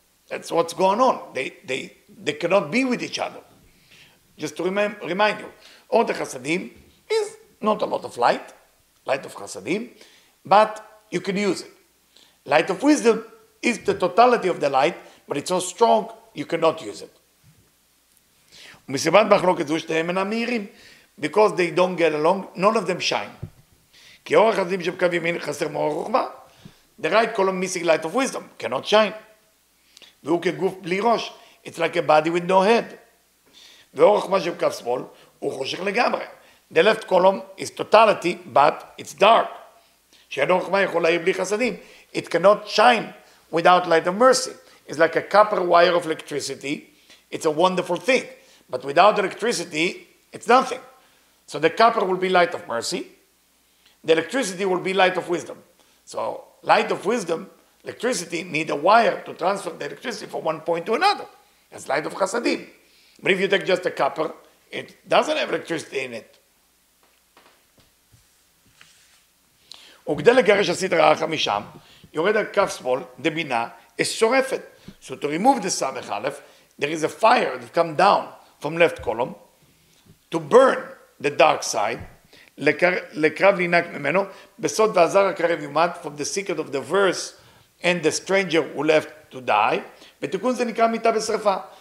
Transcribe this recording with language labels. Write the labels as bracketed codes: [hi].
[en] That's what's going on. They cannot be with each other. Just to remind you. All the chasadim is not a lot of light, light of chasadim, but you can use it. Light of wisdom is the totality of the light, but it's so strong, you cannot use it. [he] ומסיבת מחלוקת זו שתיהם אינם מהירים, [en] because they don't get along, none of them shine. [he] כי אור החסדים שבקו ימין חסר מאור החוכמה, [en] the right column missing light of wisdom, cannot shine. [he] והוא כגוף בלי ראש, [en] it's like a body with no head. [he] ואור החוכמה שבקו שמאל, הוא חושך לגמרי. [en] The left column is totality, but it's dark. It cannot shine without light of mercy. It's like a copper wire of electricity. It's a wonderful thing. But without electricity, it's nothing. So the copper will be light of mercy. The electricity will be light of wisdom. So light of wisdom, electricity, need a wire to transfer the electricity from one point to another. That's light of chasadim. But if you take just a copper, it doesn't have electricity in it. [he] וכדי לגרש הסית רעך משם, יורד על כף שמאל, דבינה, is שורפת. [en] So to remove the סמך א', there is a fire that come down from left column to burn the dark side, [he] לקרב לינק ממנו, בסוד ועזר הקרב יומד, [en] from the secret of the verse and the stranger who left to die, [he] ותיקון זה נקרא מיטה בשרפה.